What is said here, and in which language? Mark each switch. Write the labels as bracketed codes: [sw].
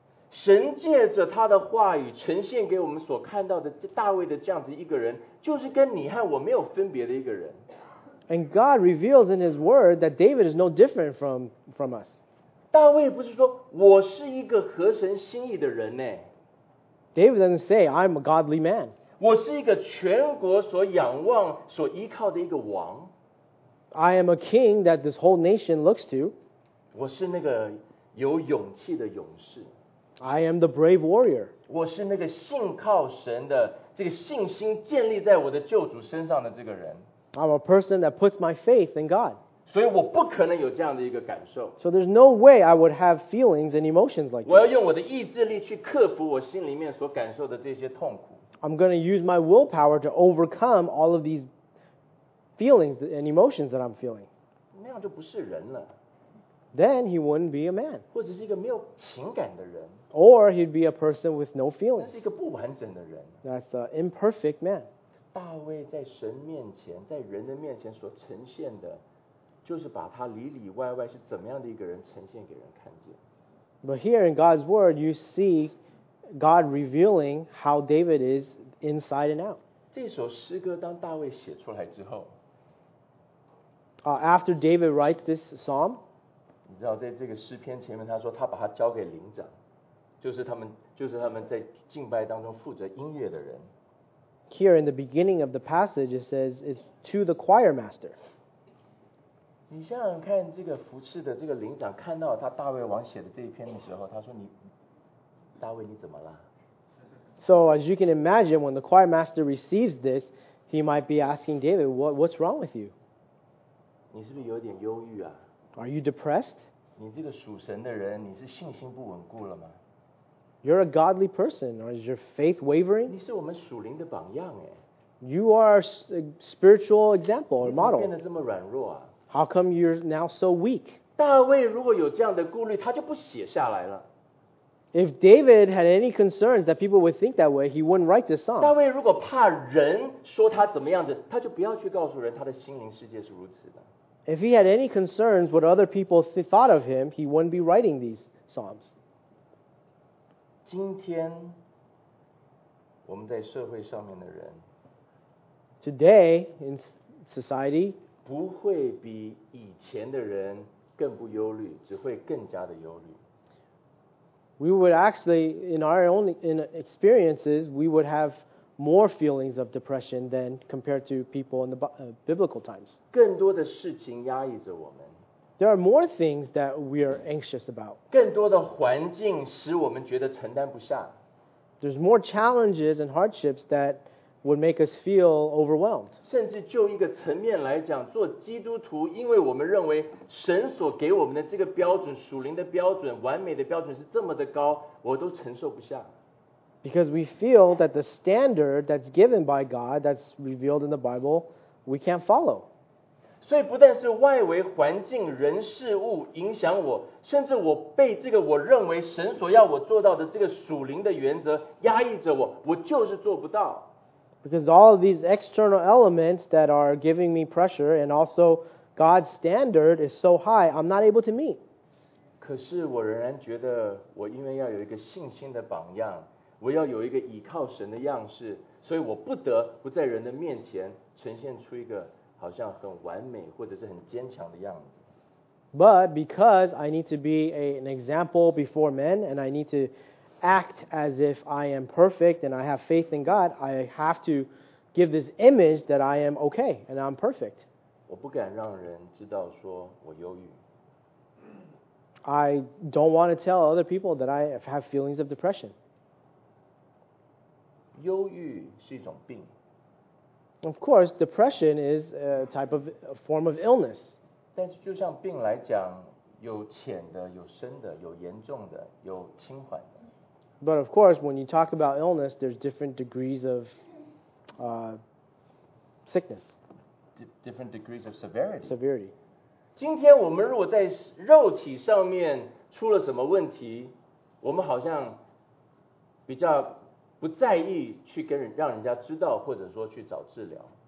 [zh] 神借着他的话语呈现给我们所看到的大卫的这样子一个人，就是跟你和我没有分别的一个人。 [en] And God reveals in his word that David is no different from us. [zh] 大卫不是说我是一个合神心意的人呢。 [en] David doesn't say I'm a godly man. [zh] 我是一个全国所仰望所依靠的一个王。 [en] I am a king that this whole nation looks to. [zh] 我是那个有勇气的勇士。 [en] I am the brave warrior. [zh] 我是那个信靠神的，这个信心建立在我的救主身上的这个人。 [en] I'm a person that puts my faith in God. [zh] 所以我不可能有这样的一个感受。 [en] So there's no way I would have feelings and emotions like this. [zh] 我要用我的意志力去克服我心里面所感受的这些痛苦。 [en] I'm going to use my willpower to overcome all of these feelings and emotions that I'm feeling. [zh] 那样就不是人了。 [en] Then he wouldn't be a man. [zh] 或者是一个没有情感的人。 [en] Or he'd be a person with no feelings. [zh] 那是一个不完整的人。 [en] That's an imperfect man. [zh] 大卫在神面前，在人的面前所呈现的，就是把他里里外外是怎么样的一个人呈现给人看见。 [en] But here in God's word, you see God revealing how David is inside and out. [zh] 这首诗歌当大卫写出来之后 [en] ，After David writes this psalm. [zh] 你知道在这个诗篇前面他说他把他交给灵长，就是他们在敬拜当中负责音乐的人。 [en] Here in the beginning of the passage it says it's to the choir master. [zh] 你想想看这个服侍的这个灵长看到他大卫王写的这一篇的时候，他说你大卫你怎么了？ [en] So as you can imagine when the choir master receives this he might be asking David what's wrong with you? [zh] 你是不是有点忧郁啊？ [en] Are you depressed? [zh] 你这个属神的人，你是信心不稳固了吗？ [en] You're a godly person, or is your faith wavering? [zh] 你是我们属灵的榜样耶。 [en] You are a spiritual example or model. [zh] 你怎么变得这么软弱啊？ [en] How come you're now so weak? [zh] 大卫如果有这样的顾虑，他就不写下来了。 [en] If David had any concerns that people would think that way, he wouldn't write this song. [zh] 大卫如果怕人说他怎么样子，他就不要去告诉人他的心灵世界是如此的。 [en] If he had any concerns what other people thought of him, he wouldn't be writing these psalms. [zh] 今天我们在社会上面的人 [en] ，today in society [zh] 不会比以前的人更不忧虑，只会更加的忧虑。 [en] We would actually, in our own in experiences, we would have more feelings of depression than compared to people in the biblical times. [zh] 更多的事情压抑着我们。 [en] There are more things that we are anxious about. [zh] 更多的环境使我们觉得承担不下。 [en] There's more challenges and hardships that would make us feel overwhelmed. [zh] 甚至就一个层面来讲，做基督徒，因为我们认为神所给我们的这个标准，属灵的标准，完美的标准是这么的高，我都承受不下。 [en] Because we feel that the standard that's given by God, that's revealed in the Bible, we can't follow. [zh] 所以不但是外围环境、人事物影响我，甚至我被这个我认为神所要我做到的这个属灵的原则压抑着我，我就是做不到。 [en] Because all of these external elements that are giving me pressure and also God's standard is so high, I'm not able to meet. [zh] 可是我仍然觉得我因为要有一个信心的榜样，我要有一个倚靠神的样式，所以我不得不在人的面前呈现出一个好像很完美或者是很坚强的样子。 [en] But because I need to be an example before men and I need to act as if I am perfect and I have faith in God, I have to give this image that I am okay and I'm perfect. [zh] 我不敢让人知道说我忧郁。 [en] I don't want to tell other people that I have feelings of depression. [zh] 忧郁是一种病。 [en] Of course, depression is a type of a form of illness. [zh] 但是就像病来讲，有浅的，有深的，有严重的，有轻缓的。 [en] But of course, when you talk about illness, there's different degrees of sickness. Different degrees of severity. Severity. [zh] 今天我们如果在肉体上面出了什么问题，我们好像比较不在意去跟人让人家知道，或者说去找治疗。